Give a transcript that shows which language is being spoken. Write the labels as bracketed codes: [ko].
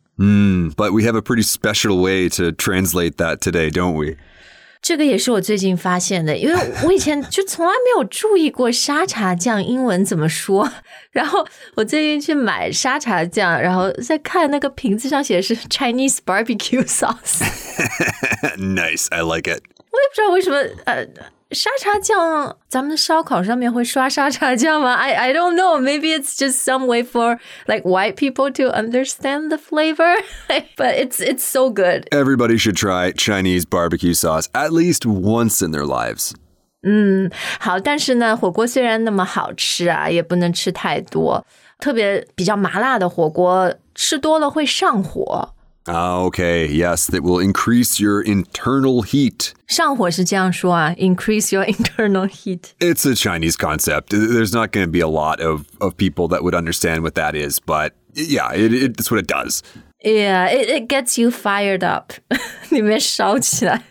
[en] But we have a pretty special way to translate that today, don't we? [zh] 这个也是我最近发现的，因为我以前就从来没有注意过沙茶酱英文怎么说。然后我最近去买沙茶酱，然后在看那个瓶子上写的是 [en] Chinese barbecue sauce。 Nice, I like it. [zh] 我也不知道为什么沙茶酱，咱们的烧烤上面会刷沙茶酱吗？ [en] I don't know. Maybe it's just some way for like white people to understand the flavor. But it's so good. Everybody should try Chinese barbecue sauce at least once in their lives. [zh] 好，但是呢，火锅虽然那么好吃啊，也不能吃太多，特别比较麻辣的火锅，吃多了会上火。 [en] Okay, yes, that will increase your internal heat. [zh] 上火是这样说啊, [en] increase your internal heat. It's a Chinese concept. There's not going to be a lot of people that would understand what that is, but yeah, it's what it does. Yeah, it gets you fired up. [zh] 里面烧起来。